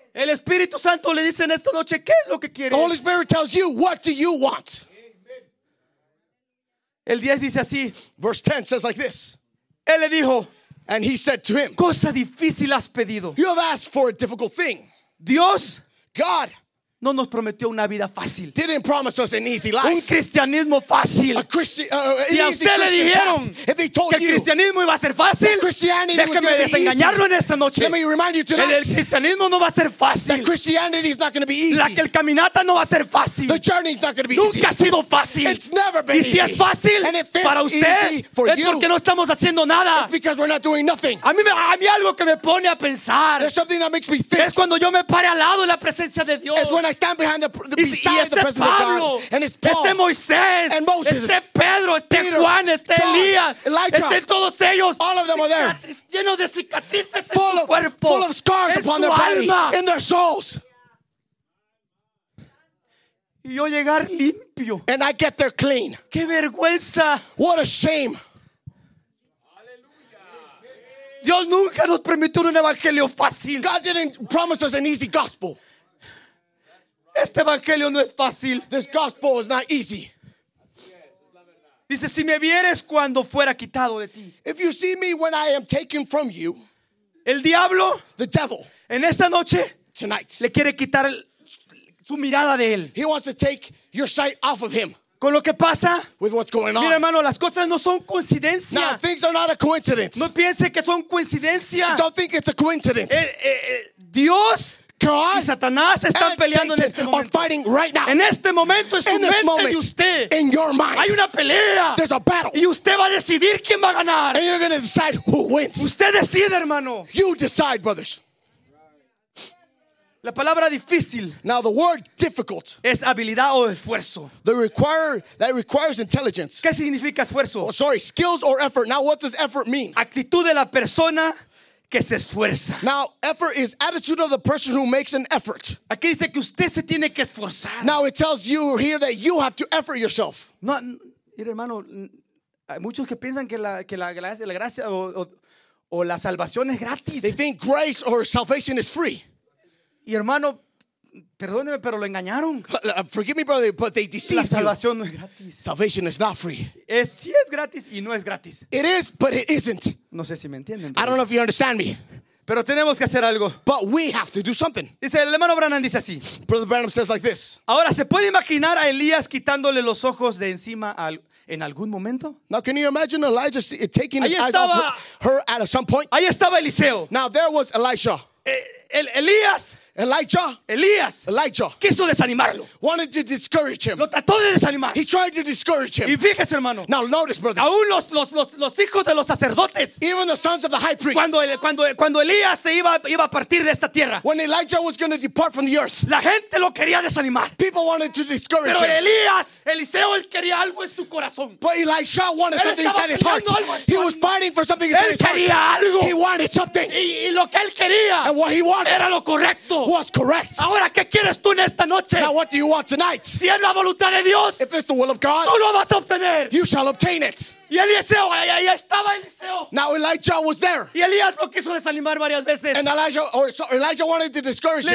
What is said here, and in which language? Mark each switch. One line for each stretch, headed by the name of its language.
Spanish: El Espíritu Santo le dice en esta noche, ¿qué es lo que quieres?
English: The Holy Spirit tells you, what do you want?
Spanish: El 10 dice así.
English: Verse 10 says like this.
Spanish: Él le dijo.
English: And he said to him.
Spanish: Cosa difícil has pedido.
English: You have asked for a difficult thing.
Spanish: Dios.
English: God.
Spanish: No nos prometió una vida fácil.
English: Didn't promise us an easy life.
Spanish: Un cristianismo fácil.
English: A Christi-
Spanish: si a usted le dijeron que el cristianismo iba a ser fácil, déjeme desengañarlo
English: easy
Spanish: en esta noche.
English: Let me remind you tonight.
Spanish: El cristianismo no va a ser fácil.
English: That Christianity is not going to be easy.
Spanish: La que el caminata no va a ser fácil.
English: The journey is not going to be
Spanish: nunca
English: easy.
Spanish: Ha sido fácil.
English: It's never been
Spanish: y si
English: easy
Spanish: es fácil para usted,
English: for
Spanish: es porque
English: you
Spanish: no estamos haciendo nada.
English: It's because we're not doing nothing.
Spanish: A mí algo que me pone a pensar.
English: There's something that makes me think.
Spanish: Es cuando yo me pare al lado de la presencia de Dios.
English: I stand behind the beside the presence
Spanish: Pablo,
English: of God, and it's Paul,
Spanish: este Moisés,
English: and Moses,
Spanish: este Pedro, este
English: Peter,
Spanish: Juan, este
English: John,
Spanish: Elías,
English: Elijah,
Spanish: este todos ellos,
English: all of them are there,
Spanish: lleno de cicatrices
English: full,
Spanish: en su cuerpo,
English: full of scars
Spanish: en
English: upon their bodies, in their souls.
Spanish: Y yo llegar limpio.
English: And I get there clean.
Spanish: Qué vergüenza.
English: What a shame.
Spanish: Dios nunca nos permitió un evangelio fácil.
English: God didn't promise us an easy gospel.
Spanish: Este evangelio no es fácil.
English: This gospel is not easy.
Spanish: Dice, si me vieres cuando fuera quitado de ti.
English: If you see me when I am taken from you.
Spanish: El diablo.
English: The devil.
Spanish: En esta noche.
English: Tonight.
Spanish: Le quiere quitar su mirada de él.
English: He wants to take your sight off of him.
Spanish: Con lo que pasa.
English: With what's going on.
Spanish: Mira, hermano, las cosas no son coincidencia.
English: Now, things are not a coincidence.
Spanish: No piense que son coincidencia.
English: I don't think it's a coincidence.
Spanish: Dios.
English: God
Spanish: y Satanás están peleando
English: Satan
Spanish: en este momento.
English: Are fighting right now.
Spanish: En este momento es
English: in
Spanish: su mente
English: moment,
Spanish: de usted.
English: In your mind.
Spanish: Hay una pelea.
English: There's a battle.
Spanish: Y usted va a decidir quién va a ganar.
English: And you're going to decide who wins.
Spanish: Usted decide, hermano.
English: You decide, brothers.
Spanish: La palabra difícil.
English: Now the word difficult.
Spanish: Es habilidad o esfuerzo.
English: The require that requires intelligence.
Spanish: ¿Qué significa esfuerzo?
English: Oh, sorry, skills or effort. Now what does effort mean?
Spanish: Actitud de la persona que se esfuerza.
English: Now, effort is attitude of the person who makes an effort.
Spanish: Aquí dice que usted se tiene que esforzar.
English: Now it tells you here that you have to effort yourself.
Spanish: No, mira, hermano, hay muchos que piensan que la gracia o la salvación es gratis.
English: They think grace or salvation is free.
Spanish: Y hermano, perdóneme, pero lo engañaron.
English: Forgive me, brother, but they deceived you.
Spanish: La salvación no es gratis.
English: Salvation is not free.
Spanish: Es sí es gratis y no es gratis.
English: It is, but it isn't.
Spanish: No sé si me entienden.
English: I don't know if you understand me.
Spanish: Pero tenemos que hacer algo.
English: But we have to do something.
Spanish: Dice el hermano Branham dice así.
English: Brother Branham says like this.
Spanish: Ahora se puede imaginar a Elías quitándole los ojos de encima al en algún momento.
English: Now can you imagine Elijah taking his eyes off her at some point?
Spanish: Ahí estaba Eliseo.
English: Now there was Elisha.
Spanish: Elías.
English: Elijah.
Spanish: Elías.
English: Elijah.
Spanish: Quiso desanimarlo.
English: Wanted to discourage him.
Spanish: Lo trató de desanimar.
English: He tried to discourage him.
Spanish: Y fíjese, hermano.
English: Now notice, brothers.
Spanish: Aún los hijos de los sacerdotes.
English: Even the sons of the high priest.
Spanish: Cuando Elías se iba a partir de esta tierra.
English: When Elijah was going to depart from the earth.
Spanish: La gente lo quería desanimar.
English: People wanted to discourage
Spanish: pero
English: him.
Spanish: Pero Elías, Eliseo, él quería algo en su corazón.
English: But Elijah wanted
Spanish: él
English: something inside his heart. He was fighting for something inside
Spanish: él
English: his heart.
Spanish: Él quería algo.
English: He wanted something.
Spanish: Y lo que él quería.
English: And what he wanted.
Spanish: Era lo correcto.
English: Was correct.
Spanish: Ahora, ¿qué quieres tú en esta noche?
English: Now what do you want tonight?
Spanish: Si es la voluntad de Dios,
English: if it's the will of God,
Spanish: tú lo vas a obtener.
English: You shall obtain it.
Spanish: Y Eliseo, ahí estaba Eliseo.
English: Now Elijah was there.
Spanish: Y Elías lo quiso desanimar varias veces.
English: And Elijah wanted to discourage him.